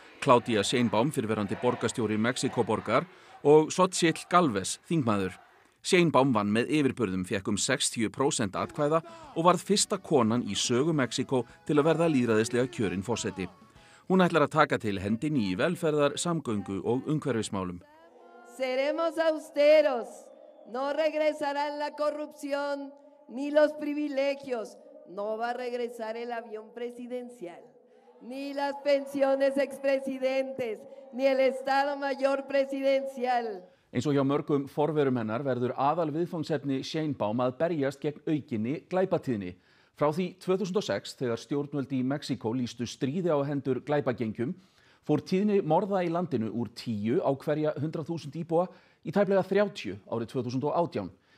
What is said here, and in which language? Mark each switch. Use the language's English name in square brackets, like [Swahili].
[Icelandic] Claudia Sheinbaum, fyrrverandi borgarstjóri Mexíkóborgar, og Xochitl Galvez, þingmaður. Sheinbaum vann með yfirburðum, fékk 60% atkvæða og varð fyrsta konan í sögu Mexíkó til að verða lýðræðislega kjörin forseti. Hún ætlar að taka til hendinni í velferðar, samgöngu og umhverfismálum. [Spanish] Seremos austeros. No regresará la corrupción ni los privilegios. No va a regresar el avión presidencial, ni las pensiones expresidentes, ni el Estado Mayor presidencial. [Icelandic] Eins og hjá mörgum forverum hennar verður aðal viðfangsefni Sheinbaum að berjast gegn aukinni glæpatíðni. Frá því 2006, þegar stjórnvöld í Mexíkó lýstu stríði á hendur glæpagengjum, fór tíðni morða í landinu úr 10 á hverja 100.000 íbúa í tæplega 30 árið 2018.